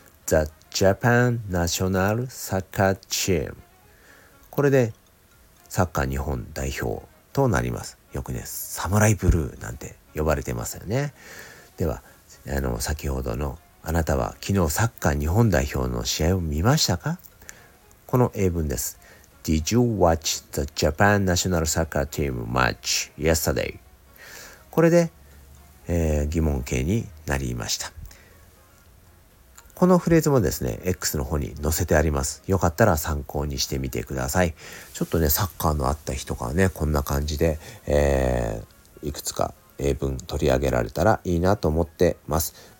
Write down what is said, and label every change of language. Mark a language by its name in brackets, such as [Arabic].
[English] The Japan National Soccer Team、 [Japanese] これでサッカー日本代表となります。よくね、サムライブルーなんて呼ばれてますよね。では先ほどの、あなたは昨日サッカー日本代表の試合を見ましたか、この英文です。 [English] Did you watch the Japan National Soccer Team match yesterday? [Japanese] これで、疑問形になりました。このフレーズもですね、X の方に載せてあります。よかったら参考にしてみてください。ちょっとね、サッカーのあった日とかね、こんな感じで、いくつか英文取り上げられたらいいなと思ってます。